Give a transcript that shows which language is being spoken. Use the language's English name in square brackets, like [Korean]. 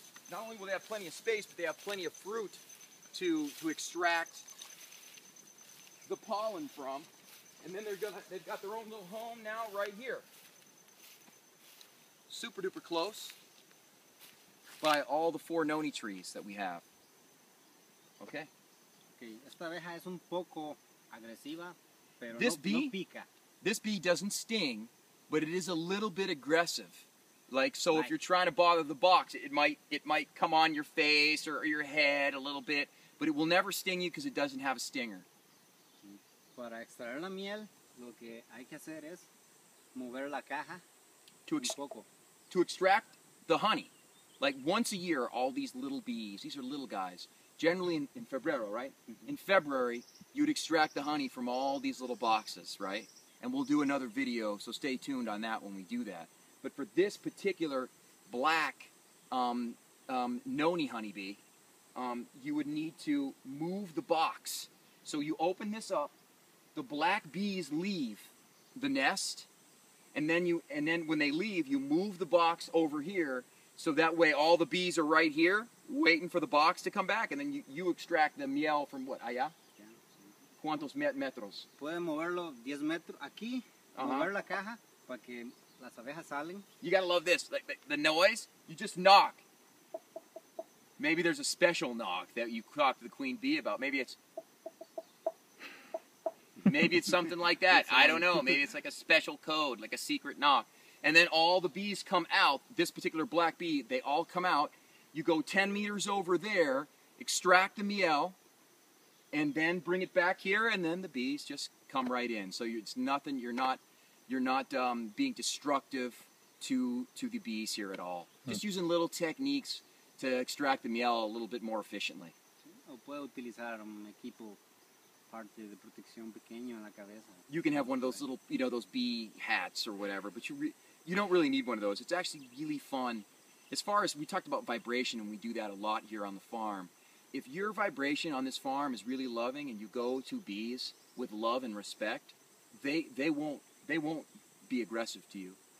[English] Not only will they have plenty of space, but they have plenty of fruit to extract the pollen from. And then they've got their own little home now right here. Super duper close by all the 4 noni trees that we have. Okay? [Spanish] Okay, esta abeja es un poco agresiva, pero [English] this bee, [Spanish] no pica. [English] This bee doesn't sting, but it is a little bit aggressive. Like, so if you're trying to bother the box, it might come on your face or your head a little bit, but it will never sting you because it doesn't have a stinger. [Spanish] Para extraer la miel, lo que hay que hacer es mover la caja un poco. [English] To extract the honey, like once a year, all these little bees, these are little guys, generally in February, right? Mm-hmm. In February, you'd extract the honey from all these little boxes, right? And we'll do another video, so stay tuned on that when we do that. But for this particular black noni honeybee, you would need to move the box. So you open this up, the black bees leave the nest, and then when they leave, you move the box over here, so that way all the bees are right here, waiting for the box to come back, and then you extract the miel from what, allá? [Spanish] Yeah, sí. ¿Cuántos metros? Puede moverlo 10 metros aquí, uh-huh. Mover la caja para que las abejas salen. [English] You gotta love this, like the noise, you just knock. Maybe there's a special knock that you talk to the queen bee about. Maybe it's something like that. I don't know. Maybe it's like a special code, like a secret knock. And then all the bees come out, this particular black bee, they all come out. You go 10 meters over there, extract the miel, and then bring it back here, and then the bees just come right in. So it's nothing, you're not being destructive to the bees here at all. Hmm. Just using little techniques to extract the miel a little bit more efficiently. [Spanish] O puedo utilizar un equipo parte de protección pequeño en la cabeza. [English] You can have one of those little, you know, those bee hats or whatever, but you don't really need one of those. It's actually really fun. As far as, we talked about vibration, and we do that a lot here on the farm. If your vibration on this farm is really loving and you go to bees with love and respect, they won't be aggressive to you.